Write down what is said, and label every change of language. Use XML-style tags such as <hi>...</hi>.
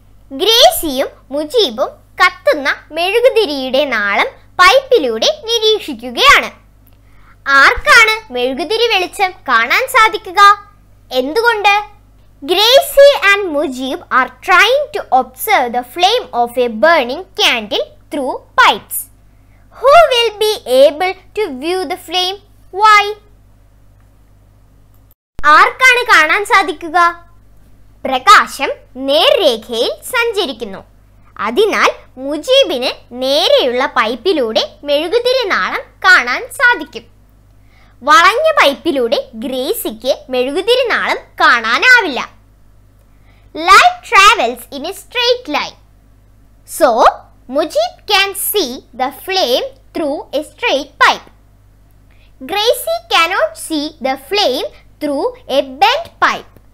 <ml>ഗ്രേസിയും മുജീബും കത്തുന്ന മെഴുകുതിരിയുടെ നാളം പൈപ്പിലൂടെ നിരീക്ഷിക്കുകയാണ്. ആർക്കാണ് മെഴുകുതിരി വെളിച്ചം കാണാൻ സാധിക്കുക? എന്തുകൊണ്ട്?</ml> <en>Gracie and Mujeeb are trying to observe the flame of a burning candle through pipes. Who will be able to view the flame? Why?</en> <ml>ആർക്കാണ് കാണാൻ സാധിക്കുക? പ്രകാശം നേർരേഖയിൽ സഞ്ചരിക്കുന്നു. അതിനാൽ മുജീബിന് നേരെയുള്ള പൈപ്പിലൂടെ മെഴുകുതിരി നാളം കാണാൻ സാധിക്കും. വളഞ്ഞ പൈപ്പിലൂടെ ഗ്രേസിക്ക് മെഴുകുതിരി നാളം കാണാനാവില്ല.</ml> <en>Light travels in a straight line. So, Mujib can see the flame through a straight pipe. Gracie cannot see the flame through a bent pipe.</en>